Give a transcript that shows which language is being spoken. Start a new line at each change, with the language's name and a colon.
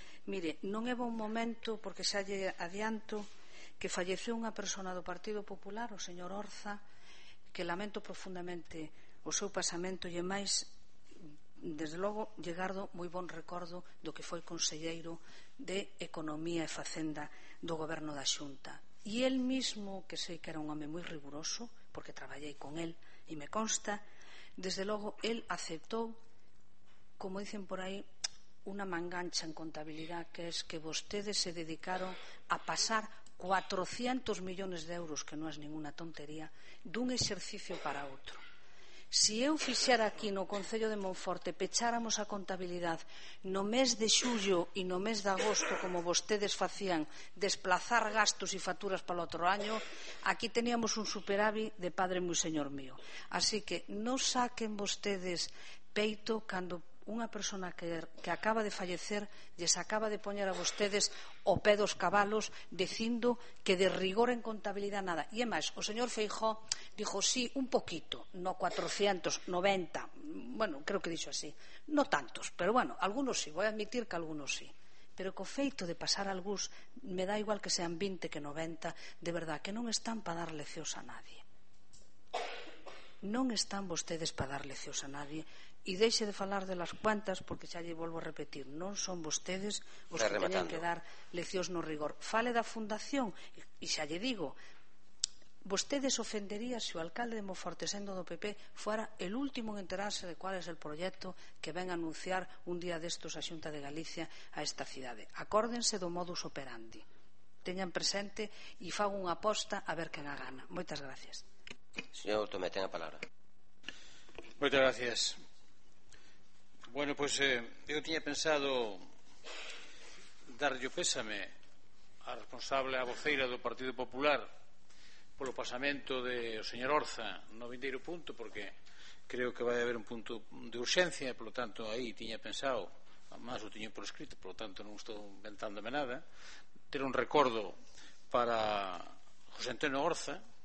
Galician: Mire, non é bon momento, porque xa lle adianto que falleceu unha persona do Partido Popular, o señor Orza, que lamento profundamente o seu pasamento, e máis, desde logo, lle gardo moi bon recordo do que foi conselleiro de Economía e Facenda do Goberno da Xunta. E el mismo, que sei que era un home moi riguroso, porque traballei con él e me consta, desde logo, él aceptou
Spanish: como dicen por ahí, una mangancha en contabilidad, que es que ustedes se dedicaron a pasar 400 millones de euros, que no es ninguna tontería, de un exercicio para otro.
Galician: Si eu fixera aquí no Concello de Monforte, pecháramos a contabilidad no mes de xullo e no mes de agosto, como vostedes facían, desplazar gastos e facturas para o outro año, aquí teníamos un superávit de padre moi señor mío. Así que non saquen vostedes peito cando unha persona que acaba de fallecer lles acaba de poñer a vostedes o pé dos cabalos dicindo que de rigor en contabilidad nada. E é máis, o señor Feijó dijo sí, un poquito, no 490, bueno, creo que dixo así, no tantos, pero bueno,
Spanish: algunos sí, voy a admitir que algunos sí,
Galician: pero co feito de pasar algúns me dá igual que sean 20 que 90, de verdad, que non están para dar leccións a nadie. Non están vostedes para dar leccións a nadie. E deixe de falar de las cuantas, porque xa lle volvo a repetir, non son vostedes os que teñen que dar leccións no rigor. Fale da fundación, e xa lle digo, vostedes ofenderían se o alcalde de Monforte, sendo do PP,
Spanish: fuera el último en enterarse de cuál es el proyecto
Galician: que ven a anunciar un día destos a Xunta de Galicia a esta cidade. Acórdense do modus operandi. Teñan presente e fago unha aposta a ver quen a gana. Moitas gracias. Señor Tomé, ten a palabra. Moitas gracias. Bueno, pues eu tiña pensado darlle o pésame a responsable, a voceira do Partido Popular, polo pasamento de o señor Orza no vindeiro punto, porque creo que vai haber un punto de urxencia, polo tanto, aí tiña pensado, además o tiño por escrito, polo tanto, non estou inventándome nada, ter un recordo para José Antonio Orza,